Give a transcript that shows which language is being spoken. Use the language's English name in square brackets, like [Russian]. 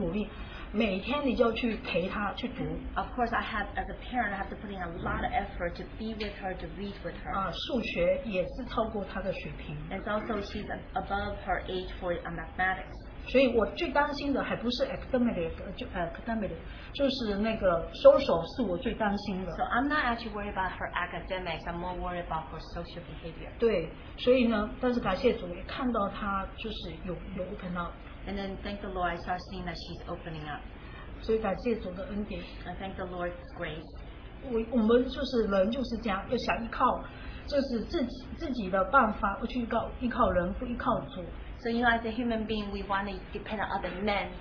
[Chinese] 当然，这个也是我家长要需要付出很多努力，每天你就要去陪她去读。 [English] Of course, I have as a parent, I have to put in a lot of effort to be with her, to read with her. [Chinese] 数学也是超过她的水平。 [English] And also, she's above her age for mathematics. [Chinese] 所以我最担心的还不是 academic, 就是那个 social 是我最担心的。 [English] So I'm not actually worried about her academics, I'm more worried about her social behavior. [Chinese] 对，所以呢， 但是感谢主, 看到她就是有 [English] open up. And then thank the Lord, I start seeing that she's opening up. [Chinese] 所以感谢主的恩典。 [English] And thank the Lord's grace. [Chinese] 我们就是人就是这样, 要想依靠, 就是自己的办法, 不去依靠人, 不依靠主。 [English] So you know, as a human being, we want to depend on other men.